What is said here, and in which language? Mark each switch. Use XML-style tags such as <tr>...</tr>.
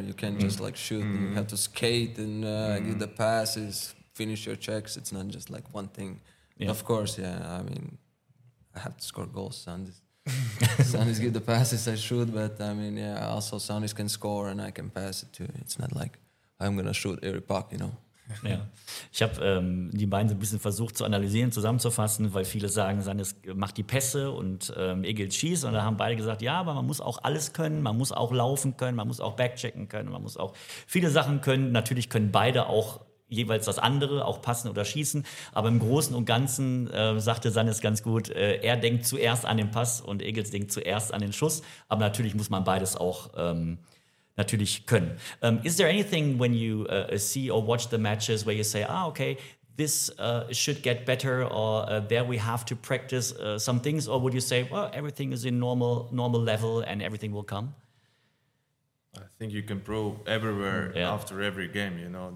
<en>You can't just like shoot. Mm-hmm. You have to skate and get the passes, finish your checks. It's not just like one thing. Yeah. Of course, yeah. I mean, I have to score goals. Sandis give the passes, I shoot. But I mean, yeah. Also, Sandis can score and I can pass it too. It's not like I'm gonna shoot every puck, you know.</en> <de>Ja, ich habe die beiden so ein bisschen versucht zu analysieren, zusammenzufassen, weil viele sagen, Sandis macht die Pässe und Egils schießt. Und da haben beide gesagt, ja, aber man muss auch alles können, man muss auch laufen können, man muss auch backchecken können, man muss auch viele Sachen können. Natürlich können beide auch jeweils das andere, auch passen oder schießen. Aber im Großen und Ganzen sagte Sandis ganz gut, er denkt zuerst an den Pass und Egils denkt zuerst an den Schuss. Aber natürlich muss man beides auch natürlich können.</de> <en>Is there anything when you see or watch the matches where you say, ah, okay, this should get better, or there we have to practice some things, or would you say, well, everything is in normal level and everything will come? I think you can improve everywhere yeah. after every game, you know.</en>